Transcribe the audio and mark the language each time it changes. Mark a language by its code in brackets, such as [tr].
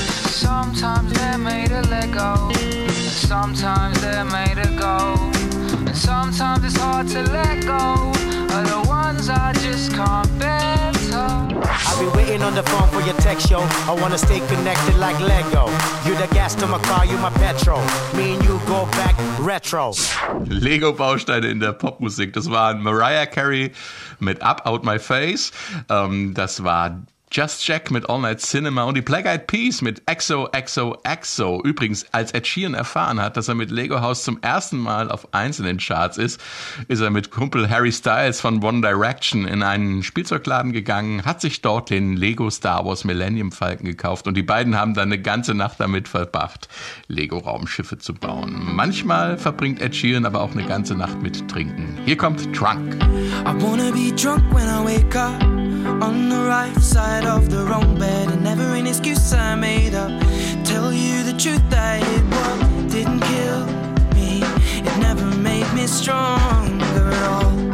[en] Sometimes they're made of Lego, sometimes they're made of gold. Sometimes it's hard to let go of the ones I just can't bear to. I've been waiting on on the phone for your text, yo. I wanna stay connected like Lego. You the gas to my car, you my petrol. Me and you go back retro. [de] Lego Bausteine in der Popmusik. Das waren Mariah Carey mit Up Out My Face. Das war Just Jack mit All Night Cinema und die Black Eyed Peas mit XOXOXO. Übrigens, als Ed Sheeran erfahren hat, dass er mit Lego House zum ersten Mal auf einzelnen Charts ist, ist er mit Kumpel Harry Styles von One Direction in einen Spielzeugladen gegangen, hat sich dort den Lego Star Wars Millennium Falcon gekauft und die beiden haben dann eine ganze Nacht damit verbracht, Lego Raumschiffe zu bauen. Manchmal verbringt Ed Sheeran aber auch eine ganze Nacht mit Trinken. Hier kommt Drunk. [en] I wanna be drunk when I wake up. On the right side of the wrong bed, and never an excuse I made up. Tell you the truth that it was, didn't kill me. It never made me stronger at all.